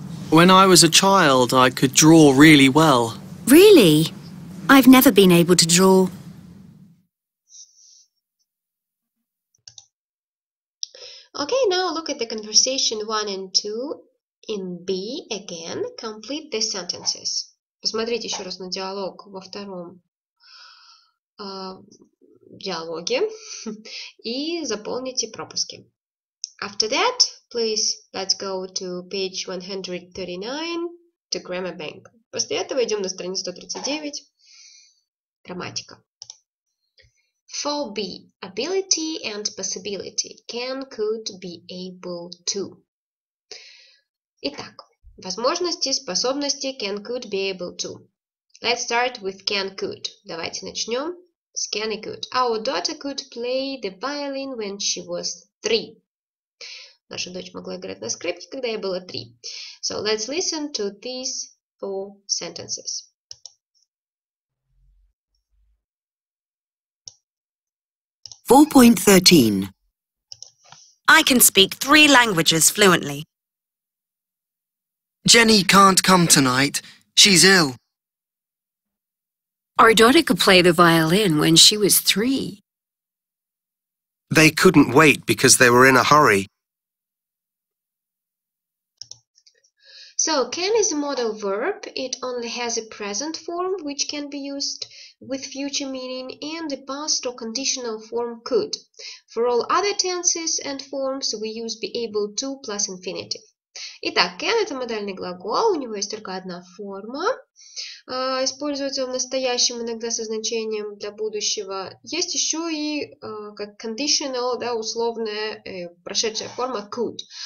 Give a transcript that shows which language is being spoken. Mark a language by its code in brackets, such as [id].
[en] When I was a child, I could draw really well. Really? I've never been able to draw. Okay, now look at the conversation 1 and 2 in B again. Complete the sentences. [ru] Посмотрите еще раз на диалог во втором. Диалоги и заполните пропуски. [en] After that, please, let's go to page 139 to Grammar Bank. [ru] После этого идем на страницу 139. [en] Грамматика. 4B. Ability and possibility. Can, could, be able to. [ru] Итак, возможности, способности, [en] can, could, be able to. Let's start with can, could. [ru] Давайте начнем. [en] Scanny could. Our daughter could play the violin when she was 3. [ru] Наша дочь могла играть на скрипке, когда ей было 3. [en] So let's listen to these 4 sentences. I can speak 3 languages fluently. Jenny can't come tonight. She's ill. Our daughter could play the violin when she was 3. They couldn't wait because they were in a hurry. So, can is a modal verb. It only has a present form, which can be used with future meaning, and a past or conditional form could. For all other tenses and forms, we use be able to plus infinitive. [ru] Итак, can – это модальный глагол, у него есть только одна форма. Используется в настоящем иногда со значением для будущего. Есть еще и как conditional, да, условная прошедшая форма could.